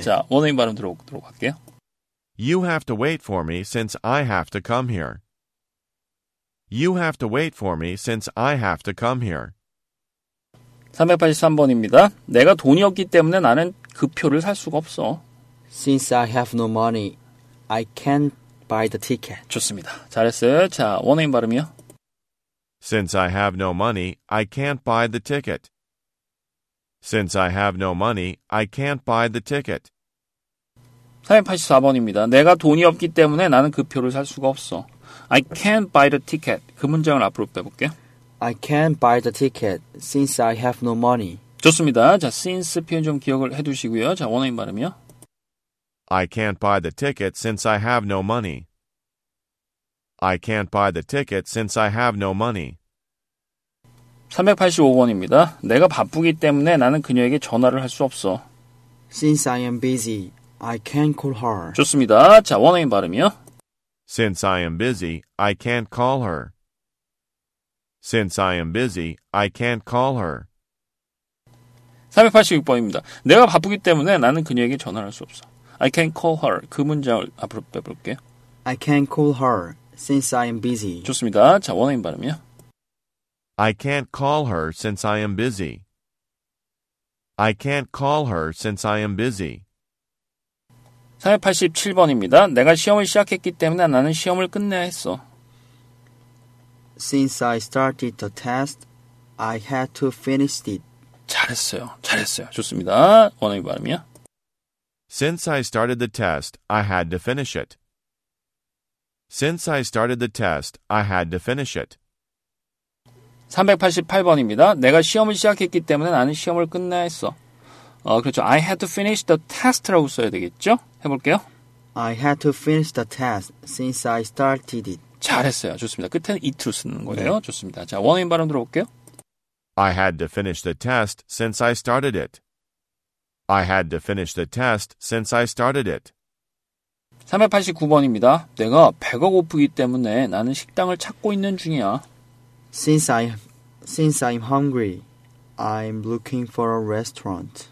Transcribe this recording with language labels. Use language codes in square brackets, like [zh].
[ko] 자, 원어민 발음 들어보도록 할게요. [en] You have to wait for me since I have to come here. You have to wait for me since I have to come here. [ko] 383번입니다. 내가 돈이 없기 때문에 나는 그 표를 살 수가 없어. [en] Since I have no money, I can't buy the ticket. [ko] 좋습니다. 잘했어요. 자, 원어민 발음이요. [en] Since I have no money, I can't buy the ticket. Since I have no money, I can't buy the ticket. [ko] 384번입니다. 내가 돈이 없기 때문에 나는 그 표를 살 수가 없어. [en] I can't buy the ticket. [ko] 그 문장을 앞으로 빼볼게요. [en] I can't buy the ticket since I have no money. [ko] 좋습니다. 자, since 표현 좀 기억을 해두시고요. 자, 원어민 발음이요. [en] I can't buy the ticket since I have no money. I can't buy the ticket since I have no money. [ko] 385번입니다. 내가 바쁘기 때문에 나는 그녀에게 전화를 할 수 없어. [en] Since I am busy, I can't call her. [ko] 좋습니다. 자, 원어민 발음이요. [en] Since I am busy, I can't call her. Since I am busy, I can't call her. [ko] 386번입니다. 내가 바쁘기 때문에 나는 그녀에게 전화를 할 수 없어. [en] I can't call her. [ko] 그 문장을 앞으로 빼볼게요. [en] I can't call her since I am busy. [ko] 좋습니다. 자, 원어민 발음이요. [en] I can't call her since I am busy. I can't call her since I am busy. [ko] 387번입니다. 내가 시험을 시작했기 때문에 나는 시험을 끝내야 했어. [en] Since I started the test, I had to finish it. [ko] 잘했어요. 잘했어요. 좋습니다. 원어민 발음이야. [en] Since I started the test, I had to finish it. Since I started the test, I had to finish it. [ko] 388번입니다. 내가 시험을 시작했기 때문에 나는 시험을 끝내야 했어. 그렇죠. [en] I had to finish the test [ko] 라고 써야 되겠죠? 해볼게요. [en] I had to finish the test since I started it. [ko] 잘했어요. 좋습니다. 끝에는 it로 쓰는 거예요. 네. 좋습니다. 자, 원어민 발음 들어볼게요. [en] I had to finish the test since I started it. I had to finish the test since I started it. [ko] 389번입니다. 내가 배가 고프기 때문에 나는 식당을 찾고 있는 중이야. [en] Since I'm hungry, I'm looking for a restaurant.